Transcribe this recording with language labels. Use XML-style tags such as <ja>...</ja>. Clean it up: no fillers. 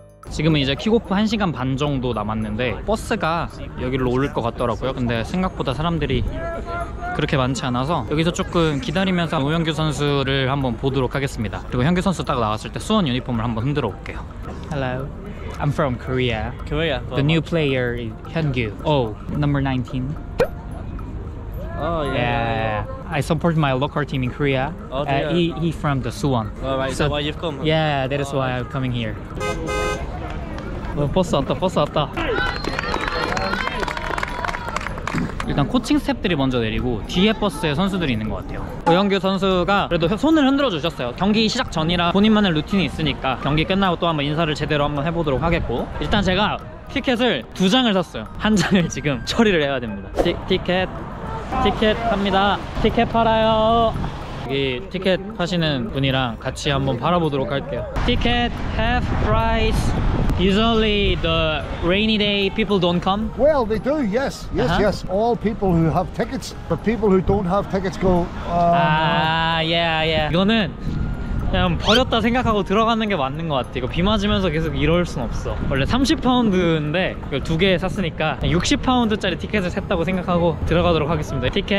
<ko>지금은 이제 킥오프 1시간 반 정도 남았는데 버스가 여기로 올 것 같더라고요. 근데 생각보다 사람들이 그렇게 많지 않아서 여기서 조금 기다리면서 오현규 선수를 한번 보도록 하겠습니다. 그리고 현규 선수 딱 나왔을 때 수원 유니폼을 한번 흔들어 볼게요.</ko> <en>Hello, I'm from Korea. Korea. The new player is Hyungyu. Oh, number 19. Oh, yeah. Yeah. I support my local team in Korea. Oh, he from the Suwon. Oh, right. So why you've come? Huh? Yeah, that is why I'm coming here.</en> <ko>버스 왔다, 버스 왔다. 일단 코칭 스텝들이 먼저 내리고 뒤에 버스에 선수들이 있는 것 같아요. 오현규 선수가 그래도 손을 흔들어 주셨어요. 경기 시작 전이라 본인만의 루틴이 있으니까 경기 끝나고 또 한번 인사를 제대로 한번 해보도록 하겠고 일단 제가 티켓을 두 장을 샀어요. 한 장을 지금 처리를 해야 됩니다. 티켓 합니다. 티켓 팔아요. 여기 티켓 하시는 분이랑 같이 한번 팔아보도록 할게요.</ko> <en>티켓 half price. Usually the rainy day people don't come? Well, they do, yes. Yes, uh-huh. yes. All people who have tickets, but people who don't have tickets go... Yeah, yeah.</en> <ko>이거는 그냥 버렸다 생각하고 들어가는 게 맞는 것 같아. 이거 비 맞으면서 계속 이럴 순 없어. 원래 30파운드인데 이걸 두 개 샀으니까 60파운드짜리 티켓을 샀다고 생각하고 들어가도록 하겠습니다.</ko>